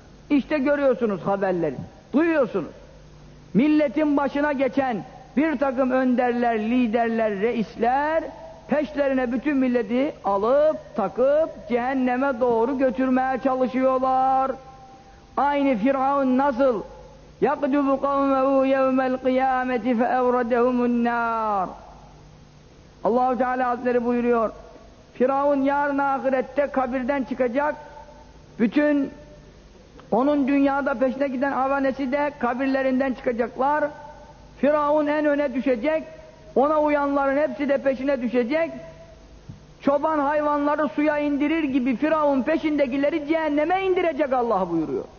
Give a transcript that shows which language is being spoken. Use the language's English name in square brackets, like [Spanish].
[Turkish] İşte görüyorsunuz haberleri, duyuyorsunuz. Milletin başına geçen bir takım önderler, liderler, reisler peşlerine bütün milleti alıp takıp cehenneme doğru götürmeye çalışıyorlar. Aynı Firavun nasıl? [Arabic] يَقْدُبُ قَوْمَهُ يَوْمَ الْقِيَامَةِ فَاَوْرَدَهُمُ النَّارِ [Turkish] Allah-u Teala Hazretleri buyuruyor. Firavun yarın ahirette kabirden çıkacak. Bütün onun dünyada peşine giden avanesi de kabirlerinden çıkacaklar. Firavun en öne düşecek. Ona uyanların hepsi de peşine düşecek. Çoban hayvanları suya indirir gibi Firavun peşindekileri cehenneme indirecek Allah buyuruyor.